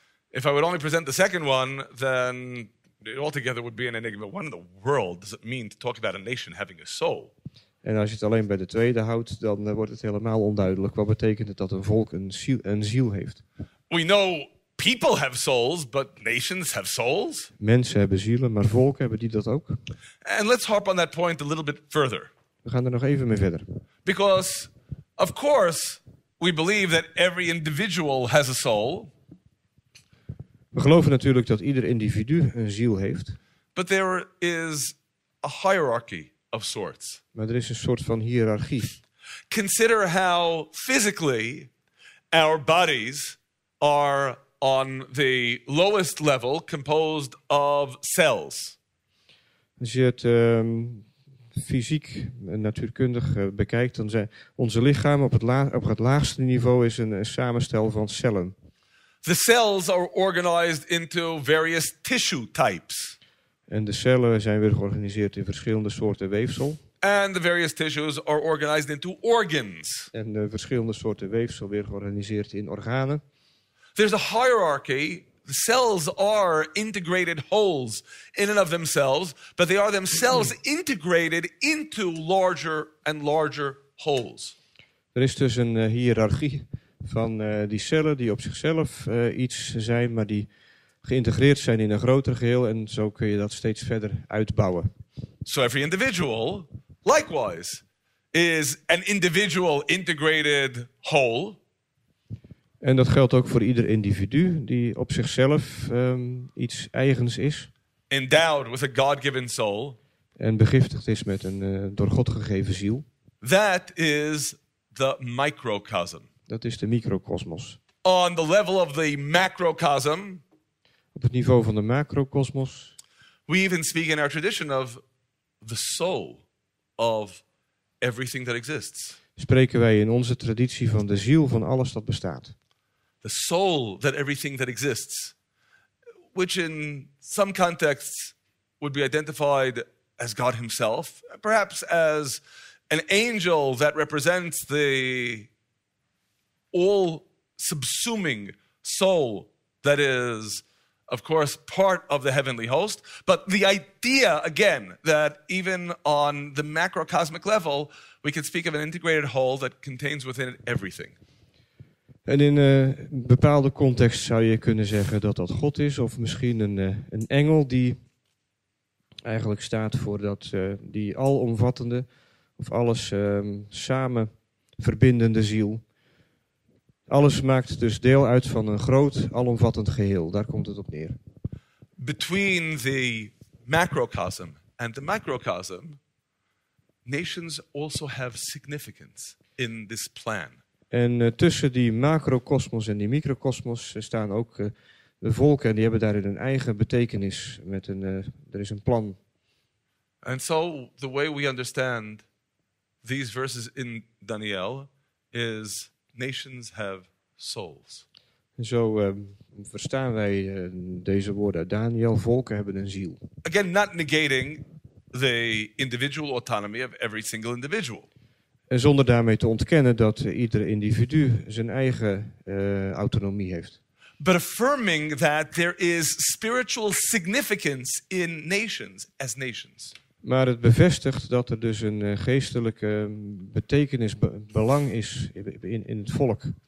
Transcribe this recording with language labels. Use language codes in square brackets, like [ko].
[en] If I would only present the second one, then it altogether would be an enigma. What in the world does it mean to talk about a nation having a soul? [nl] En als je het alleen bij de tweede houdt, dan wordt het helemaal onduidelijk. Wat betekent het dat een volk een ziel heeft? [en] We know people have souls, but nations have souls. [nl] Mensen hebben zielen, maar volken hebben die dat ook? [en] And let's harp on that point a little bit further. [nl] We gaan er nog even mee verder. [en] Because, of course, we believe that every individual has a soul. [nl] We geloven natuurlijk dat ieder individu een ziel heeft. [en] But there is a hierarchy of sorts. [nl] Maar er is een soort van hiërarchie. [en] Consider how physically our bodies are on the lowest level composed of cells. [nl] Als je het fysiek en natuurkundig bekijkt, dan zijn onze lichaam op het laagste niveau is een samenstel van cellen. [en] The cells are organized into various tissue types. [nl] En de cellen zijn weer georganiseerd in verschillende soorten weefsel. [en] And the various tissues are organized into organs. [nl] En de verschillende soorten weefsel weer georganiseerd in organen. [en] There's a hierarchy. The cells are integrated wholes in and of themselves, but they are themselves integrated into larger and larger wholes. [nl] Er is dus een hiërarchie van die cellen die op zichzelf iets zijn, maar die geïntegreerd zijn in een groter geheel en zo kun je dat steeds verder uitbouwen. [en] So every individual, likewise, is an individual integrated whole. [nl] En dat geldt ook voor ieder individu die op zichzelf iets eigens is. [en] Endowed with a God-given soul. [nl] En begiftigd is met een door God gegeven ziel. [en] That is the microcosm. [nl] Dat is de microcosmos. [en] On the level of the macrocosm. [nl] Op het niveau van de macrocosmos. [en] We even speak in our tradition of the soul of everything that exists. [nl] Spreken wij in onze traditie van de ziel van alles dat bestaat. [en] The soul that everything that exists, which in some contexts would be identified as God himself, perhaps as an angel that represents the all-subsuming soul that is, of course, part of the heavenly host. But the idea, again, that even on the macrocosmic level, we can speak of an integrated whole that contains within it everything. [nl] En in een bepaalde context zou je kunnen zeggen dat dat God is, of misschien een engel die eigenlijk staat voor dat die alomvattende of alles samen verbindende ziel. Alles maakt dus deel uit van een groot alomvattend geheel. Daar komt het op neer. [en] Between the macrocosm and the microcosm, nations also have significance in this plan. [nl] En tussen die macrocosmos en die microcosmos staan ook de volken, en die hebben daarin een eigen betekenis met een er is een plan. [en] And so the way we understand these verses in Daniel is nations have souls. [nl] En zo verstaan wij deze woorden uit Daniel, volken hebben een ziel. [en] Again, not negating the individual autonomy of every single individual. [nl] En zonder daarmee te ontkennen dat ieder individu zijn eigen autonomie heeft. [en] But affirming that there is spiritual significance in nations as nations. [nl] Maar het bevestigt dat er dus een geestelijke betekenis, belang is in het volk.